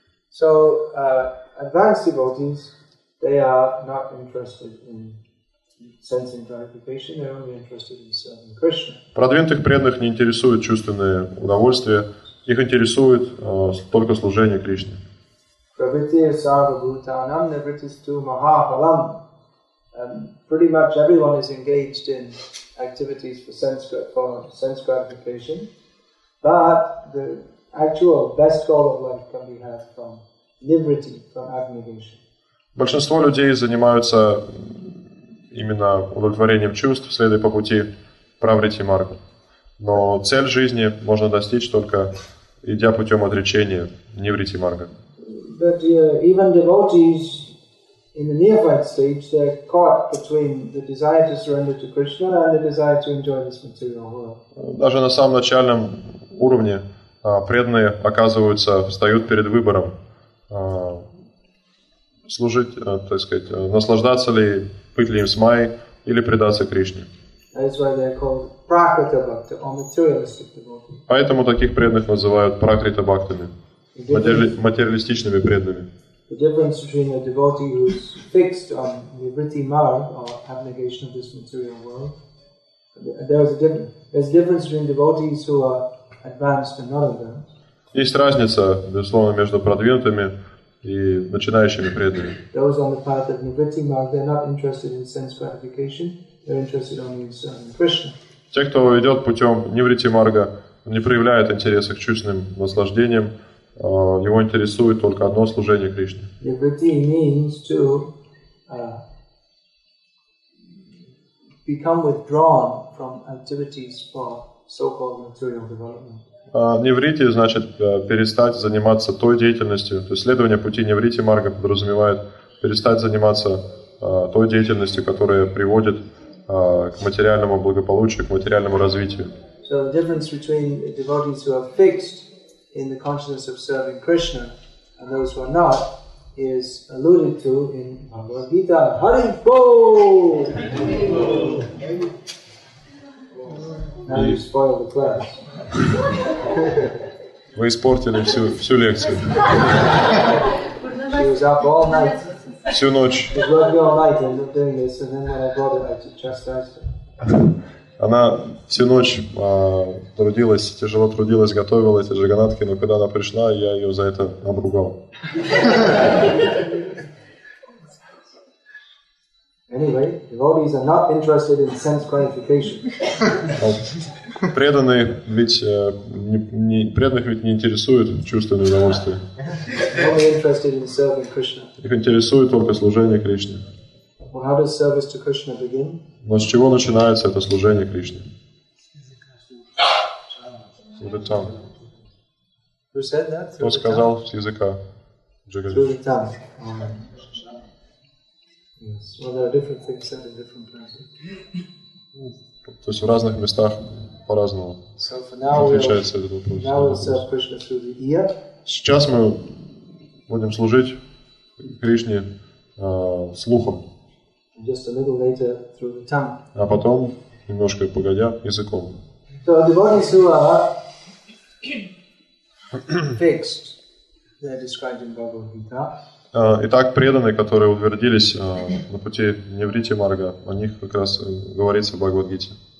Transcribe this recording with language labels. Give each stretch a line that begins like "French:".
English: So, advanced devotees, they are not interested in sensing gratification, they are only interested in serving Krishna.
Russian: Продвинутых преданных не интересует чувственное удовольствие, их интересует только служение Кришне.
Sanskrit: Pravritir sarva bhutanam nivrittistu mahaphalam.
English: Pretty much everyone is engaged in activities for sense gratification, but the actual best goal of life can be had from nivritti, from abnegation.
Russian: Большинство людей занимаются именно удовлетворением чувств, следуя по пути Pravritti Mag. Но цель жизни можно достичь только идя путем отречения Nivritti Mag.
English: But even devotees in the neophyte stage, they're caught between the desire to surrender to Krishna and the desire to enjoy this material world.
Russian: Даже на самом начальном уровне преданные оказываются, встают перед выбором служить, так сказать, наслаждаться ли, быть ли им с Майей, или предаться Кришне.
English: That's why they're called Prakrita Bhakta, or materialistic devotees.
Russian: Поэтому таких преданных называют Prakrita Bhaktami, материалистичными преданными.
English: The difference between a devotee who is fixed on Nivritti Marg, or abnegation of this material world, there's a difference between devotees who are advanced and not advanced.
Russian: Есть разница, безусловно, между продвинутыми и начинающими преданными.
English: Those on the path of Nivritti Marg, they're not interested in sense gratification, they're interested only in serving Krishna.
Russian: Те, кто идет путем Нивритти Марга, не проявляют интереса к чувственным наслаждениям, его интересует только одно служение Кришне.
English: Nivritti means to become withdrawn from activities for so-called material development.
Russian: Nivritti значит перестать заниматься той деятельностью. То есть следование пути Nivritti Marga подразумевает перестать заниматься той деятельностью, которая приводит к материальному благополучию, к материальному развитию.
English: So the difference between devotees who are fixed in the consciousness of serving Krishna and those who are not is alluded to in Bhagavad Gita.
Bangla: Hari Bol!
English: Now you spoil the class.
Russian: Вы испортили всю лекцию.
English: She was up all night.
Russian: Всю ночь.
English: She was working all night and not doing this, and then when I brought her, I just chastised her.
Russian: Она всю ночь трудилась, тяжело трудилась, готовила эти джаганатки, но когда она пришла, я ее за это обругал.
English: Anyway, devotees are not interested in sense gratification.
Russian: Преданных ведь не интересует чувственное удовольствие.
English: Only interested in serving Krishna.
Russian: Их интересует только служение Кришне.
English: Well, how does service to Krishna begin?
Russian: Но с чего начинается это служение Кришне? С языка Джагана.
English: Who said that?
Russian: Кто сказал с языка
English: Джагана? Through the tongue. Yes. Well, there are different things said in different places.
Russian: То есть в разных местах по-разному.
English: So for now
Russian: отличается этот вопрос.
English: Now we'll serve Krishna through the ear.
Russian: Сейчас мы будем служить Кришне слухом.
English: Just a little later through the tongue.
Russian: А потом, немножко погодя, языком.
English: So devotees who are fixed,
Russian: И так преданные, которые утвердились на пути Ниврити Марга, о них как раз говорится в Бхагавад-гите.